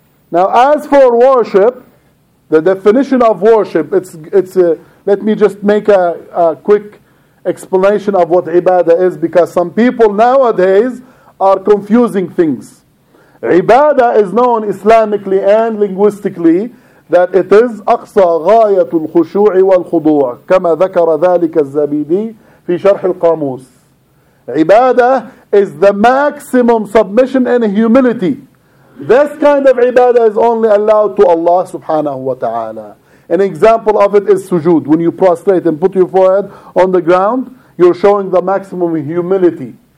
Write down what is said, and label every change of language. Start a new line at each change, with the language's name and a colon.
English: Now as for worship, the definition of worship, let me just make a quick explanation of what ibadah is, because some people nowadays are confusing things. Ibadah is known Islamically and linguistically that it is
Arabic: أقصى غاية الخشوع والخضوع كما ذكر ذلك الزبيدي في شرح القاموس.
English: Ibadah is the maximum submission and humility. This kind of ibadah is only allowed to Allah subhanahu wa ta'ala. An example of it is sujood. When you prostrate and put your forehead on the ground, you're showing the maximum humility.